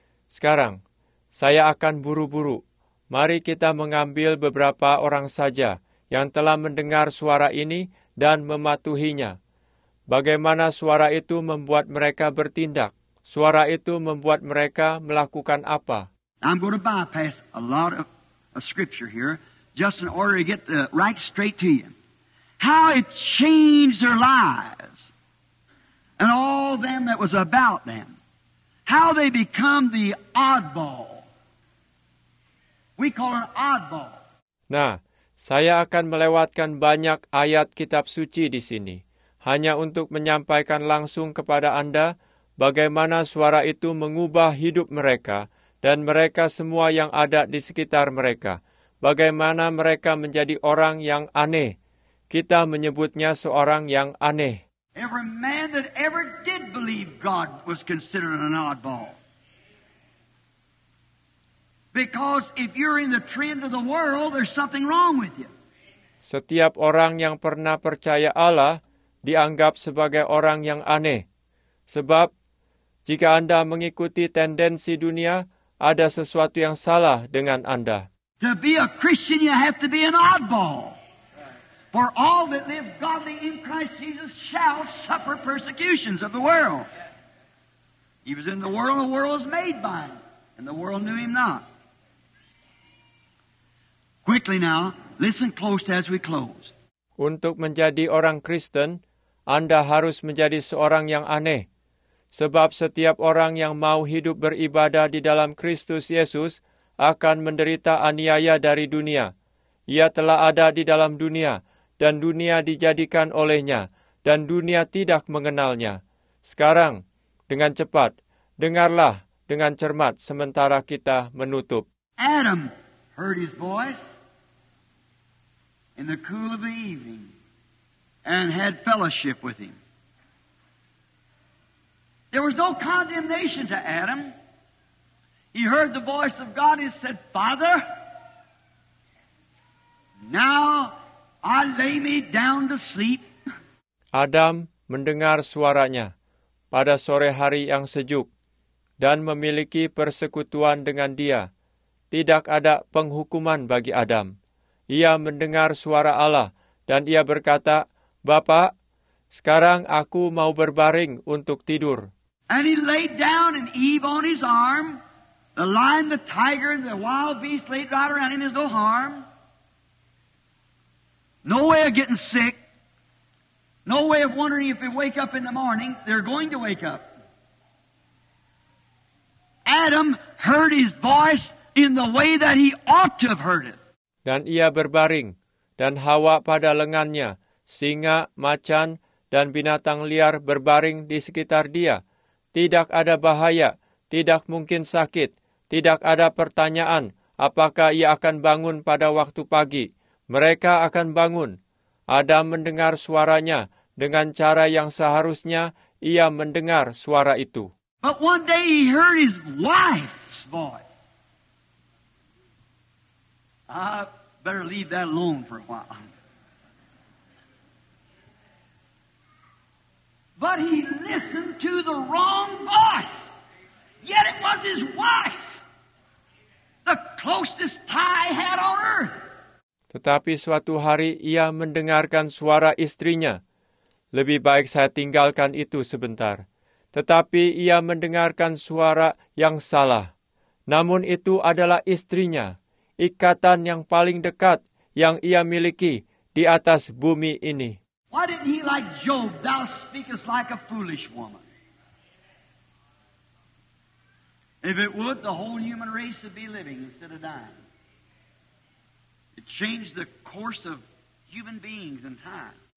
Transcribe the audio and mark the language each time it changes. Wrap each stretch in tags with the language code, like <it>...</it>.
<id>Sekarang, saya akan buru-buru. Mari kita mengambil beberapa orang saja yang telah mendengar suara ini dan mematuhinya. Bagaimana suara itu membuat mereka bertindak? Suara itu membuat mereka melakukan apa?</id> <en>I'm going to bypass a lot of a scripture here just in order to get the right straight to you. How it changed their lives and all them that was about them. How they become the oddball. We call it oddball.</en> <id>Nah, saya akan melewatkan banyak ayat kitab suci di sini hanya untuk menyampaikan langsung kepada Anda bagaimana suara itu mengubah hidup mereka. Dan mereka semua yang ada di sekitar mereka. Bagaimana mereka menjadi orang yang aneh. Kita menyebutnya seorang yang aneh.</id> <en>Every man that ever did believe God was considered an oddball. Because if you're in the trend of the world, there's something wrong with you.</en> <id>Setiap orang yang pernah percaya Allah dianggap sebagai orang yang aneh. Sebab jika Anda mengikuti tendensi dunia, ada sesuatu yang salah dengan Anda.</id> <en>To be a Christian, you have to be an oddball. For all that live godly in Christ Jesus shall suffer persecutions of the world. He was in the world was made by him, and the world knew him not. Quickly now, listen close as we close.</en> <id>Untuk menjadi orang Kristen, Anda harus menjadi seorang yang aneh. Sebab setiap orang yang mau hidup beribadah di dalam Kristus Yesus akan menderita aniaya dari dunia. Ia telah ada di dalam dunia, dan dunia dijadikan olehnya, dan dunia tidak mengenalnya. Sekarang, dengan cepat, dengarlah dengan cermat sementara kita menutup.</id> <en>Adam heard his voice in the cool of the evening and had fellowship with him. There was no condemnation to Adam. He heard the voice of God and said, Father, now I lay me down to sleep.</en> <id>Adam mendengar suaranya pada sore hari yang sejuk dan memiliki persekutuan dengan Dia. Tidak ada penghukuman bagi Adam. Ia mendengar suara Allah dan ia berkata, Bapa, sekarang aku mau berbaring untuk tidur.</id> <en>And he laid down and Eve on his arm. The lion, the tiger, and the wild beast laid right around him. There's no harm. No way of getting sick. No way of wondering if they wake up in the morning. They're going to wake up. Adam heard his voice in the way that he ought to have heard it.</en> <id>Dan ia berbaring, dan Hawa pada lengannya, singa, macan, dan binatang liar berbaring di sekitar dia. Tidak ada bahaya, tidak mungkin sakit, tidak ada pertanyaan apakah ia akan bangun pada waktu pagi. Mereka akan bangun. Adam mendengar suaranya dengan cara yang seharusnya ia mendengar suara itu.</id> <en>But one day he heard his wife's voice. I better leave that alone for a while. But he listened to the wrong voice. Yet it was his wife, the closest tie he had on earth.</en> <id>Tetapi suatu hari ia mendengarkan suara istrinya. Lebih baik saya tinggalkan itu sebentar. Tetapi ia mendengarkan suara yang salah. Namun itu adalah istrinya, ikatan yang paling dekat yang ia miliki di atas bumi ini.</id> <en>Why didn't he like Job, thou speakest like a foolish woman? If it would, the whole human race would be living instead of dying. It changed the course of human beings and time.</en>